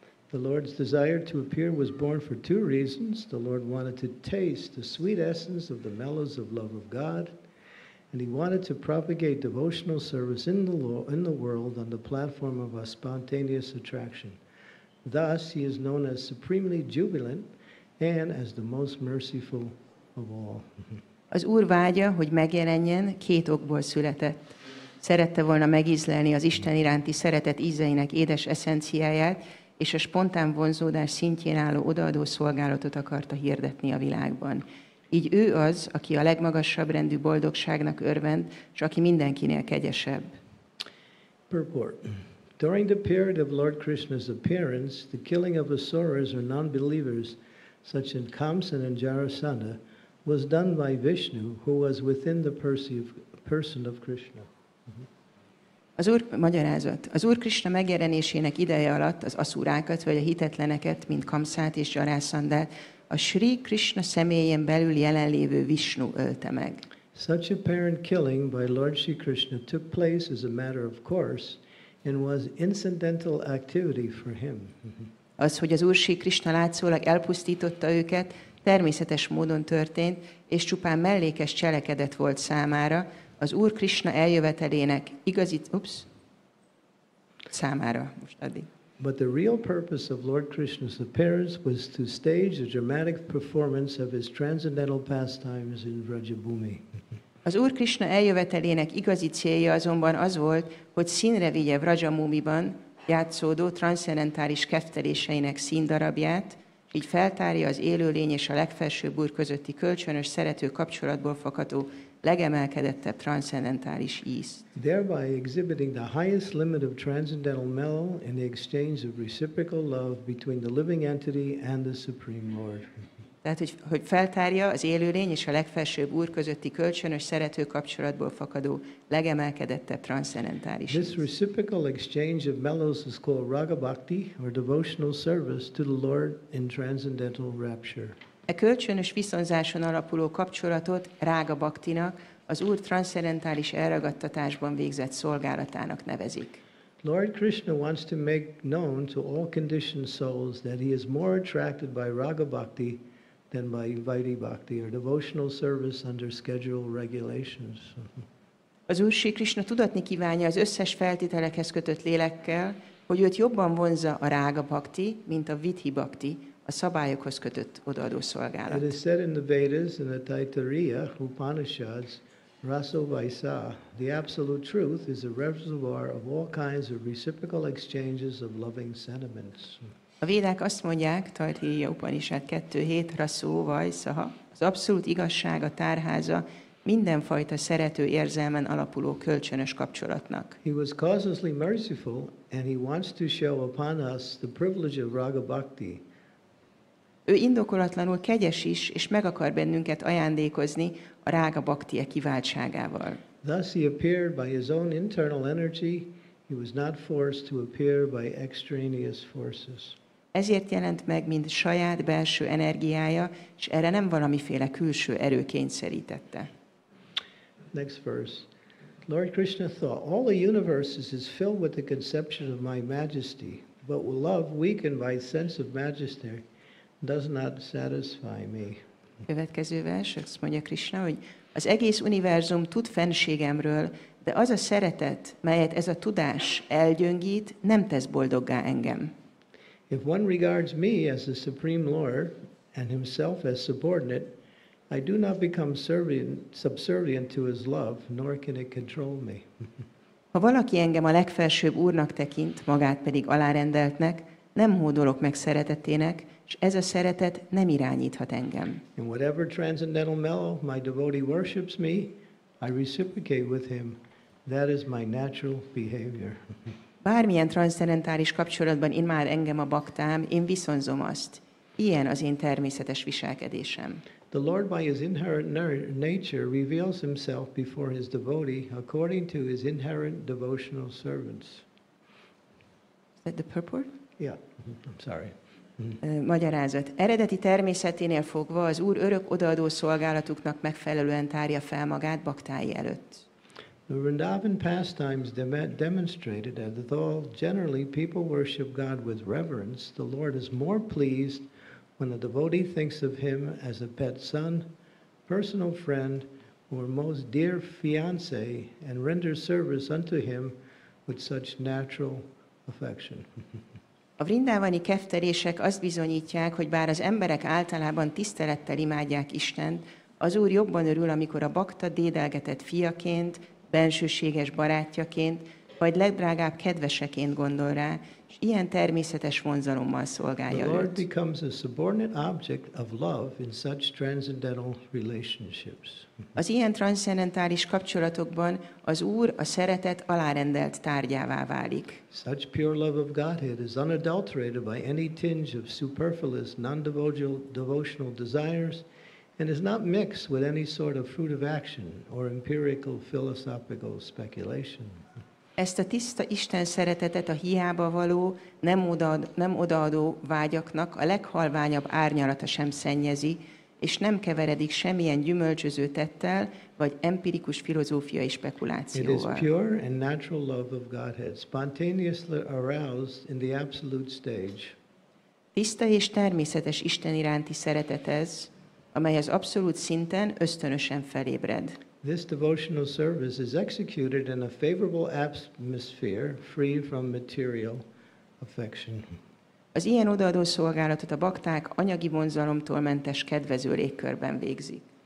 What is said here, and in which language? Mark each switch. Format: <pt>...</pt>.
<en>The Lord's desire to appear was born for two reasons. The Lord wanted to taste the sweet essence of the mellows of love of God, and he wanted to propagate devotional service in the world on the platform of a spontaneous attraction. Thus, he is known as supremely jubilant and as the most merciful of all.</en> <hu>Az Úr vágya, hogy megjelenjen, két okból született. Szerette volna megízlelni az Isten iránti szeretet ízeinek édes eszenciáját, és a spontán vonzódás szintjén álló odaadó szolgálatot akarta hirdetni a világban. Így ő az, aki a legmagasabb rendű boldogságnak örvend, és aki mindenkinél kegyesebb.</hu> <en>Purport. During the period of Lord Krishna's appearance, the killing of asuras or non-believers, such as Kamsa and Jarasandha, was done by Vishnu, who was within the person of Krishna.</en> <hu>Az Úr magyarázat. Az Úr Krishna megjelenésének ideje alatt az aszúrákat, vagy a hitetleneket, mint Kamszát és Jarászandát, a Sri Krishna személyén belül jelenlévő Vishnu ölte meg.</hu> <en>Such apparent killing by Lord Sri Krishna took place as a matter of course, and was incidental activity for him.</en> <hu>Az, hogy az Úr Sri Krishna látszólag elpusztította őket, természetes módon történt, és csupán mellékes cselekedet volt számára, az Úr Krishna eljövetelének igazi számára most addig.</hu> <en>But the real purpose of Lord Krishna's appearance was to stage a dramatic performance of his transcendental pastimes in Vrajabhumi.</en> <hu>Az Úr Krishna eljövetelének igazi célja azonban az volt, hogy színre vigye Vrajabhumiban játszódó transzcendentális kefteléseinek színdarabját, így feltárja az élőlény és a legfelsőbb úr közötti kölcsönös szerető kapcsolatból fakadó legemelkedettebb transzcendentális íz.</hu> <en>Thereby exhibiting the highest limit of transcendental mellow in the exchange of reciprocal love between the living entity and the Supreme Lord.</en> <hu>Tehát, hogy feltárja az élőlény és a legfelsőbb úr közötti kölcsönös szerető kapcsolatból fakadó legemelkedettebb transzcendentális íz.</hu> <en>This reciprocal exchange of mellows is called raga bhakti, or devotional service to the Lord in transcendental rapture.</en> <hu>E kölcsönös viszonzáson alapuló kapcsolatot Rága Bhaktinak, az Úr transzcendentális elragadtatásban végzett szolgálatának nevezik.</hu> <en>Lord Krishna wants to make known to all conditioned souls that he is more attracted by Rága Bhakti than by Vaidhi Bhakti, or devotional service under schedule regulations.</en> <hu>Az Úr Sri Krishna tudatni kívánja az összes feltételekhez kötött lélekkel, hogy őt jobban vonzza a Rága Bhakti, mint a Vidhi Bhakti, a szabályokhoz kötött odaadó szolgálat.</hu> <en>It is said in the Vedas and the Taittiriya Upanishads, raso vaisa, the absolute truth is a reservoir of all kinds of reciprocal exchanges of loving sentiments.</en> <hu>A Védák azt mondják, Taittiriya Upanishad 2.7, raso vaisa, az abszolút igazság a tárháza mindenfajta szerető érzelmen alapuló kölcsönös kapcsolatnak.</hu> <en>He was causelessly merciful and he wants to show upon us the privilege of raga bhakti.</en> <hu>Ő indokolatlanul kegyes is, és meg akar bennünket ajándékozni a rága baktie kiváltságával.</hu> <en>Thus he appeared by his own internal energy. He was not forced to appear by extraneous forces.</en> <hu>Ezért jelent meg, mint saját belső energiája, és erre nem valamiféle külső erő kényszerítette.</hu> <en>Next verse. Lord Krishna thought, all the universe is filled with the conception of my majesty, but love weakened by sense of majesty does not satisfy me.</en> <hu>Következő vers, azt mondja Krishna, hogy az egész univerzum tud fenségemről, de az a szeretet, melyet ez a tudás elgyöngít, nem tesz boldoggá engem.</hu> <en>If one regards me as the Supreme Lord and himself as subordinate, I do not become subservient to his love, nor can it control me.</en> <hu>Ha valaki engem a legfelsőbb úrnak tekint, magát pedig alárendeltnek, nem hódolok meg szeretetének, és ez a szeretet nem irányíthat engem.</hu> <en>In whatever transcendental mellow my devotee worships me, I reciprocate with him. That is my natural behavior.</en> <hu>Bármilyen transzcendentális kapcsolatban imád engem a baktám, én viszonzom azt. Ilyen az én természetes viselkedésem.</hu> <en>The Lord by his inherent nature reveals himself before his devotee according to his inherent devotional servants. Is that the purport? Yeah, I'm sorry.</en> <hu>Magyarázat. Eredeti természeténél fogva az Úr örök odaadó szolgálatuknak megfelelően tárja fel magát baktái előtt.</hu> <en>The Vrindavan pastimes demonstrated that though generally people worship God with reverence, the Lord is more pleased when a devotee thinks of him as a pet son, personal friend, or most dear fiancé and renders service unto him with such natural affection.</en> <hu>A vrindávani kefterések azt bizonyítják, hogy bár az emberek általában tisztelettel imádják Istent, az Úr jobban örül, amikor a bakta dédelgetett fiaként, bensőséges barátjaként, vagy legdrágább kedveseként gondol rá, és ilyen természetes vonzalommal szolgálja</hu> <en>őt. The Lord becomes a subordinate object of love in such transcendental relationships.</en> <hu>Az ilyen transzcendentális kapcsolatokban az Úr a szeretet alárendelt tárgyává válik.</hu> <en>Such pure love of Godhead is unadulterated by any tinge of superfluous non-devotional desires and is not mixed with any sort of fruit of action or empirical philosophical speculation.</en> <hu>Ezt a tiszta Isten szeretetet a hiába való, nem odaadó vágyaknak a leghalványabb árnyalata sem szennyezi, és nem keveredik semmilyen gyümölcsöző tettel, vagy empirikus filozófiai spekulációval.</hu> <en>It is pure and natural love of Godhead, spontaneously aroused in the absolute stage.</en> <hu>Tiszta és természetes Isten iránti szeretet ez, amely az abszolút szinten ösztönösen felébred.</hu> <en>This devotional service is executed in a favorable atmosphere, free from material affection.</en> <hu>Az ilyen odaadó szolgálatot a bakták anyagi vonzalomtól mentes kedvező légkörben végzik.</hu>